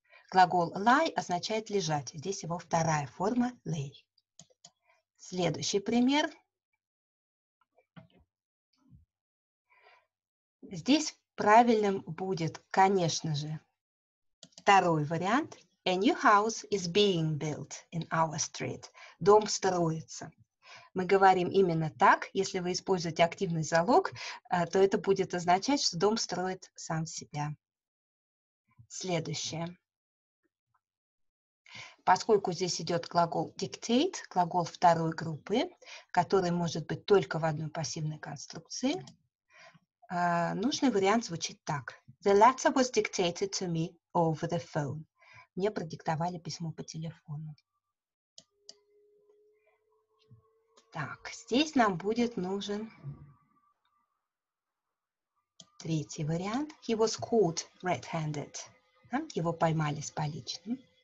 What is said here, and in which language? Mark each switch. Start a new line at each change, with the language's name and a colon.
Russian: Глагол lie означает лежать. Здесь его вторая форма lay. Следующий пример. Здесь правильным будет, конечно же, второй вариант.
English: A new house is being built in our street.
Russian: Дом строится. Мы говорим именно так. Если вы используете активный залог, то это будет означать, что дом строит сам себя. Следующее. Поскольку здесь идет глагол dictate, глагол второй группы, который может быть только в одной пассивной конструкции, нужный вариант звучит так.
English: The letter was dictated to me over the phone.
Russian: Мне продиктовали письмо по телефону. Так, здесь нам будет нужен третий вариант.
English: He was caught red-handed.
Russian: Его поймали с поличным.